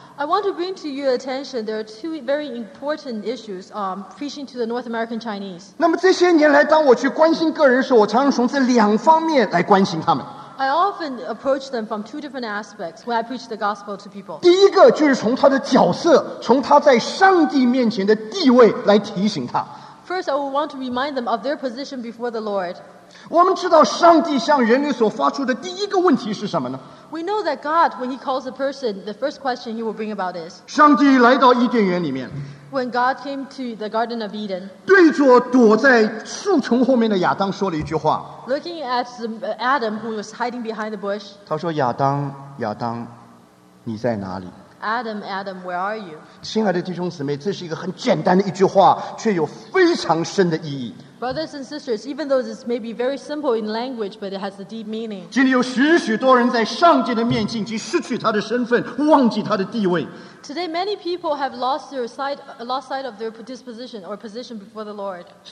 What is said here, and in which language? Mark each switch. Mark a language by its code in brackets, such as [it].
[en] I want to bring to your attention there are 2 very important issues preaching to the North American Chinese. [zh] 那么这些年来当我去关心个人时，我常常从这两方面来关心他们。 [en] I often approach them from 2 different aspects when I preach the gospel to people. [zh] 第一个就是从他的角色，从他在上帝面前的地位来提醒他。 [en] First, I would want to remind them of their position before the Lord. [zh] 我们知道上帝向人类所发出的第一个问题是什么呢？ [en] We know that God, when he calls a person, the first question he will bring about is, [zh] 上帝来到伊甸园里面, [en] when God came to the Garden of Eden, [zh] 对着躲在树丛后面的亚当说了一句话, [en] looking at Adam who was hiding behind the bush, [zh] 他说亚当亚当, 你在哪里? [en] Adam, Adam, where are you? [zh] 亲爱的弟兄姊妹, 这是一个很简单的一句话, 却有非常深的意义。 [en] Brothers and sisters, even though this may be very simple in language, but it has a deep meaning. [zh] 今天有许许多人在上帝的面前已经失去他的身份，忘记他的地位。 [en] Today, many people have lost sight of their disposition or position before the Lord.